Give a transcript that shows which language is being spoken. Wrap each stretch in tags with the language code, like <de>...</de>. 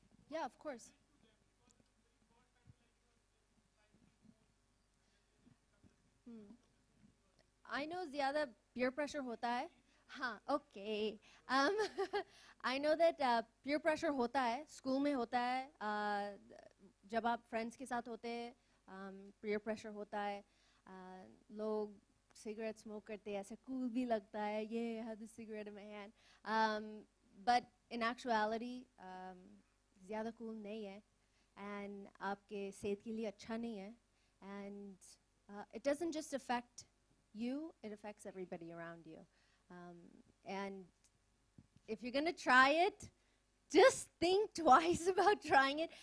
<en>Yeah, of course. I know</en> <hi>ज़्यादा</hi> <en>peer pressure</en> <hi>होता है, हाँ,</hi> <en>okay. I know that peer pressure</en> <hi>होता है,</hi> <en>school</en> <hi>में होता है, जब आप</hi> <en>friends</en> <hi>के साथ होते हैं,</hi> <en>peer pressure</en> <hi>होता है, लोग</hi> <en>cigarette smoke</en> <hi>करते हैं, ऐसे</hi> <en>cool</en> <hi>भी लगता है, ये</hi> <en>have the cigarette in my hand. But in actuality,</en> <hi>ज़्यादा</hi> <en>cool</en> <hi>नहीं है,</hi> <en>and</en> <hi>आपके सेहत के लिए अच्छा नहीं है,</hi> <en>and it doesn't just affect you, it affects everybody around you. And if you're going to try it, just think twice about trying it.</en>